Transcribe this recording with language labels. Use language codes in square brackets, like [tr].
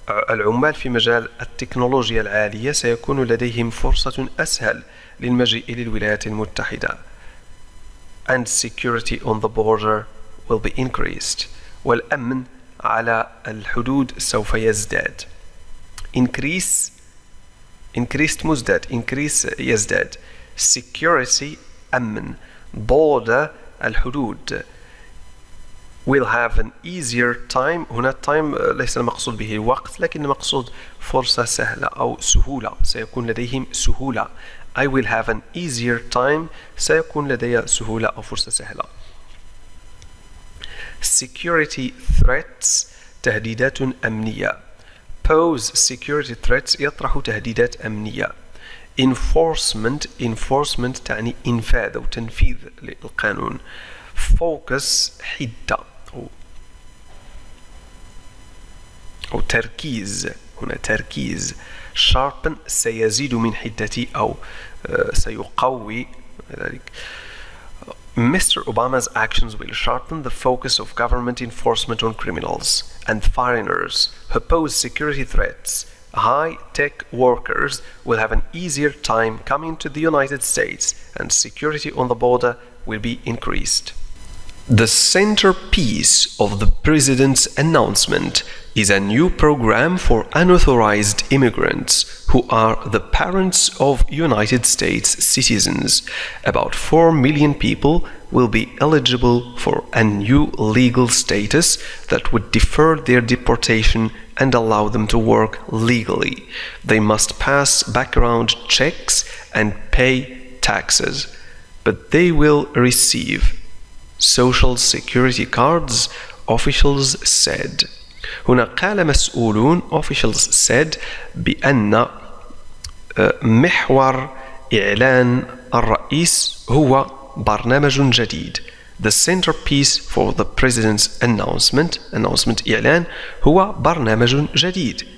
[ar] العمال في مجال التكنولوجيا العالية سيكون لديهم فرصة أسهل للمجيء للولايات المتحدة. [en] And security on the border will be increased. [ar] والأمن على الحدود سوف يزداد. [en] Increased [ar] مزداد. [en] Increase [ar] يزداد. [en] Security, [ar] أمن. [en] Border, [ar] الحدود. [en] Will have an easier time. [ar] هنا time ليس المقصود به الوقت لكن المقصود فرصة سهلة أو سهولة. سيكون لديهم سهولة. [en] I will have an easier time. [ar] سيكون لدي سهولة أو فرصة سهلة. [en] Security threats, [ar] تهديدات أمنية. [en] Pose security threats, [ar] يطرح تهديدات أمنية. Enforcement تعني إنفاذ أو تنفيذ للقانون. Focus حدة أو تركيز. هنا تركيز. Sharpen سيزيد من حدتي أو سيقوي ذلك. [en] Mr. Obama's actions will sharpen the focus of government enforcement on criminals and foreigners who pose security threats. High-tech workers will have an easier time coming to the United States and security on the border will be increased. The centerpiece of the president's announcement is a new program for unauthorized immigrants who are the parents of United States citizens. About 4 million people will be eligible for a new legal status that would defer their deportation and allow them to work legally. They must pass background checks and pay taxes, but they will receive social security cards, officials said. [ar] هنا قال مسؤولون, [en] officials said, [ar] بأن محور إعلان الرئيس هو برنامج جديد. [en] The centerpiece for the president's announcement [ar] إعلان هو برنامج جديد.